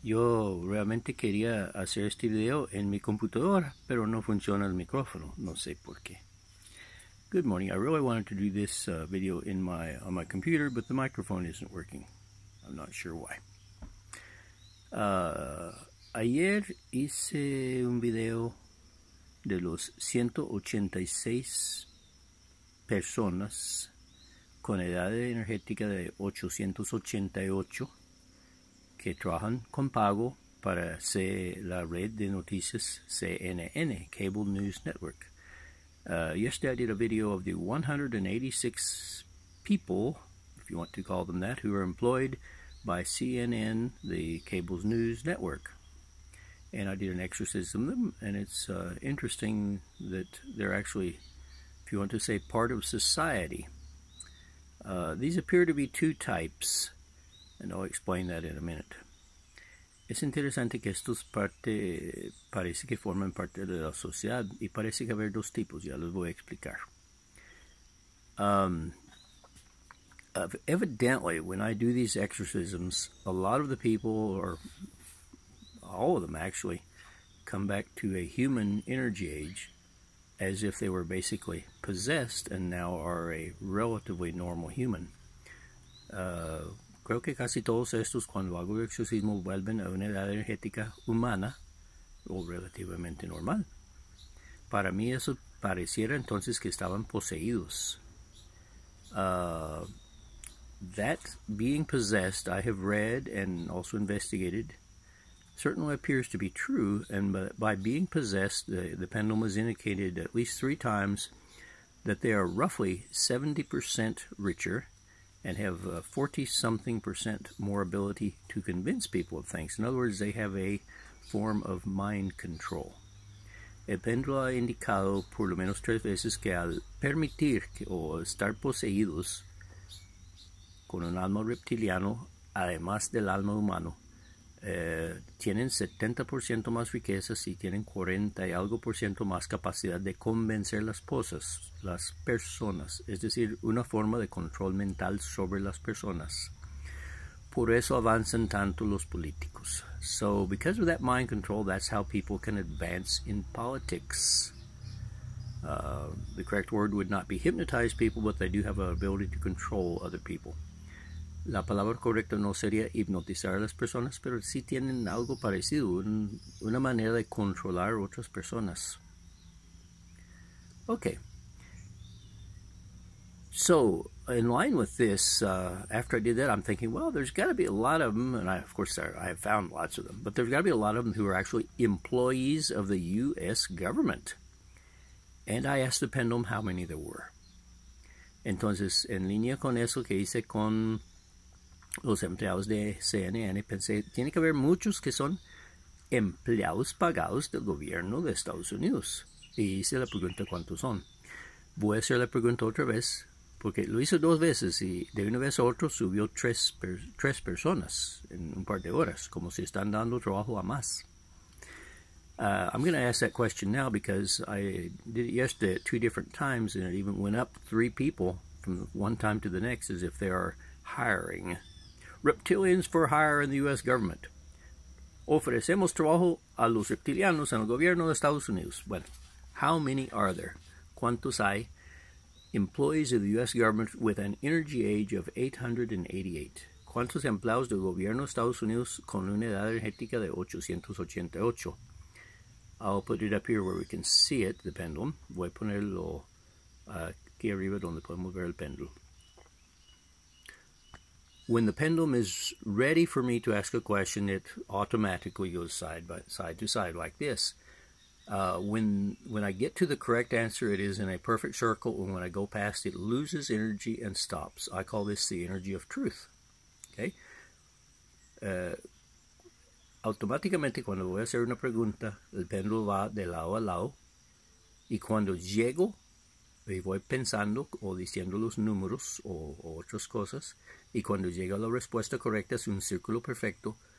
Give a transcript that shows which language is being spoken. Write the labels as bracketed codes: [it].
[es] Yo realmente quería hacer este video en mi computadora, pero no funciona el micrófono. No sé por qué. [en] Good morning. I really wanted to do this video in my on my computer, but the microphone isn't working. I'm not sure why. [es] Ayer hice un video de los 186 personas con edad energética de 888 que trabajan con pago para la red de noticias CNN, Cable News Network. [en] Yesterday I did a video of the 186 people, if you want to call them that, who are employed by CNN, the Cable News Network. And I did an exorcism of them, and it's interesting that they're actually, if you want to say, part of society. These appear to be two types, and I'll explain that in a minute. [es] Es interesante que estos parece que forman parte de la sociedad y parece que haber dos tipos, ya los voy a explicar. [en] Evidently, when I do these exorcisms, a lot of the people, or all of them actually, come back to a human energy age as if they were basically possessed and now are a relatively normal human. [es] Creo que casi todos estos, cuando hago el exorcismo, vuelven a una edad energética humana o relativamente normal. Para mí eso pareciera entonces que estaban poseídos. [en] That being possessed, I have read and also investigated, certainly appears to be true, and by being possessed, the pendulum has indicated at least three times that they are roughly 70% richer and have 40-something percent more ability to convince people of things. In other words, they have a form of mind control. [es] El péndulo ha indicado por lo menos tres veces que al permitir o estar poseídos con un alma reptiliano, además del alma humano, tienen 70% más riquezas y tienen 40 y algo por ciento más capacidad de convencer las personas, es decir, una forma de control mental sobre las personas. Por eso avanzan tanto los políticos. [en] So, because of that mind control, that's how people can advance in politics. The correct word would not be hypnotize people, but they do have an ability to control other people. [es] La palabra correcta no sería hipnotizar a las personas, pero sí tienen algo parecido, una manera de controlar a otras personas. [en] Okay. So, in line with this, after I did that, I'm thinking, well, there's got to be a lot of them, and of course, I have found lots of them, but there's got to be a lot of them who are actually employees of the U.S. government. And I asked the pendulum how many there were. [es] Entonces, en línea con eso que hice con los empleados de CNN, pensé, tiene que haber muchos que son empleados pagados del gobierno de Estados Unidos. Y hice la pregunta, ¿cuántos son? Voy a hacer la pregunta otra vez, porque lo hice dos veces y de una vez a otra subió tres personas en un par de horas, como si están dando trabajo a más. [en] I'm going to ask that question now because I did it yesterday at two different times and it even went up three people from one time to the next as if they are hiring. Reptilians for hire in the U.S. government. [es] Ofrecemos trabajo a los reptilianos en el gobierno de Estados Unidos. [en] Bueno, how many are there? [es] ¿Cuántos hay? [en] Employees of the U.S. government with an energy age of 888. [es] ¿Cuántos empleados del gobierno de Estados Unidos con una edad energética de 888? [en] I'll put it up here where we can see it, the pendulum. [es] Voy a ponerlo aquí arriba donde podemos ver el péndulo. [en] When the pendulum is ready for me to ask a question, it automatically goes side to side like this. When I get to the correct answer, it is in a perfect circle, and when I go past, it loses energy and stops. I call this the energy of truth. Okay? [es] Automáticamente, cuando voy a hacer una pregunta, el péndulo va de lado a lado, y cuando llego y voy pensando o diciendo los números o otras cosas, y cuando llega la respuesta correcta es un círculo perfecto.